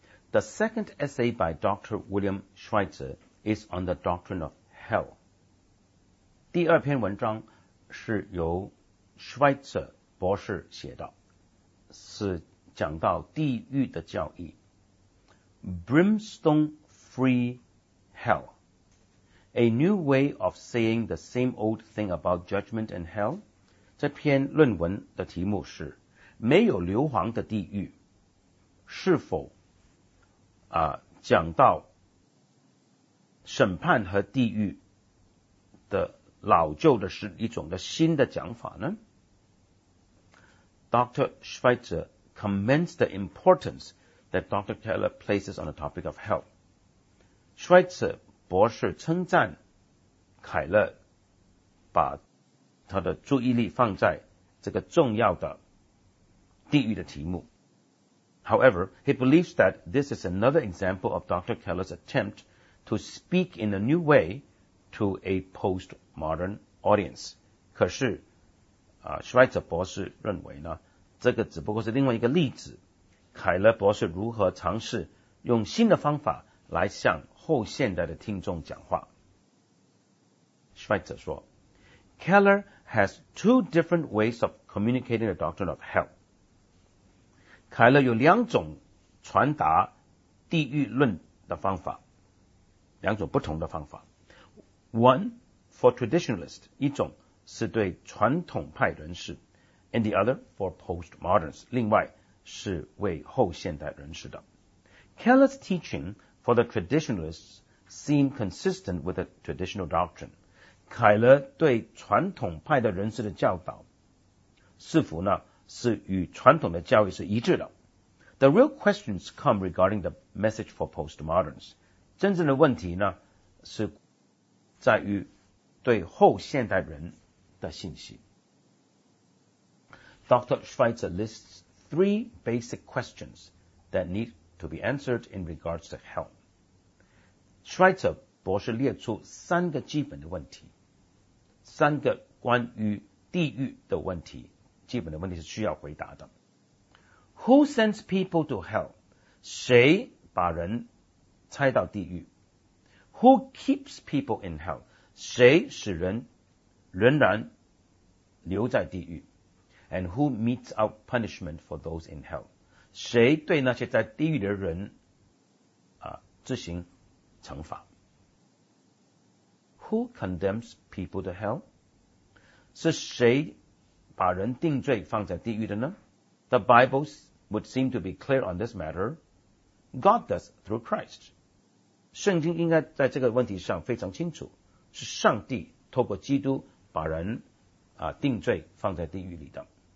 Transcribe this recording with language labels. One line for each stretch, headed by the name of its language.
English: The second essay by Dr. William Schweitzer is on the doctrine of hell.
Chinese: 第二篇文章是由 Schweitzer 博士写的，是讲到地狱的教义。
English: Brimstone Free Hell. A new way of saying the same old thing about judgment and hell?
Chinese: 这篇论文的题目是没有硫磺的地狱是否、讲到审判和地狱的老旧的是一种的新的讲法呢？
English: Dr. Schweitzer comments the importance that Dr. Keller places on the topic of hell.
Chinese: Schweitzer博士称赞凯勒把他的注意力放在这个重要的地狱的题目。
English: However, he believes that this is another example of Dr. Keller's attempt to speak in a new way to a postmodern audience.
Chinese: 可是、Schweitzer 博士认为呢，这个只不过是另外一个例子，凯勒博士如何尝试用新的方法来向后现代的听众讲话。
English: Schweitzer 说 Keller has two different ways of communicating the doctrine of hell.
Chinese: 凯勒有两种传达地狱论的方法，两种不同的方法。
English: One for traditionalist,
Chinese: 一种是对传统派人士，
English: and the other for postmoderns,
Chinese: 另外是为后现代人士的。
English: Keller's teachingfor the traditionalists seem consistent with the traditional doctrine.
Chinese: 凯勒对传统派的人士的教导似乎呢是与传统的教育是一致的。
English: The real questions come regarding the message for postmoderns.
Chinese: 真正的问题呢是在于对后现代人的信息。
English: Dr. Schweitzer lists three basic questions that need to be answered in regards to hell.
Chinese: Schweitzer 博士列出三个基本的问题，三个关于地狱的问题，基本的问题是需要回答的。
English: Who sends people to hell?
Chinese: 谁把人差到地狱
English: ？Who keeps people in hell?
Chinese: 谁使人仍然留在地狱
English: ？And who meets out punishment for those in hell?
Chinese: 谁对那些在地狱的人啊执行？惩罚。
English: Who condemns people to hell?
Chinese: 是谁把人定罪放在地狱的呢？
English: The Bible would seem to be clear on this matter. God does through Christ.
Chinese: 圣经应该在这个问题上非常清楚，是上帝透过基督把人、定罪放在地狱里的。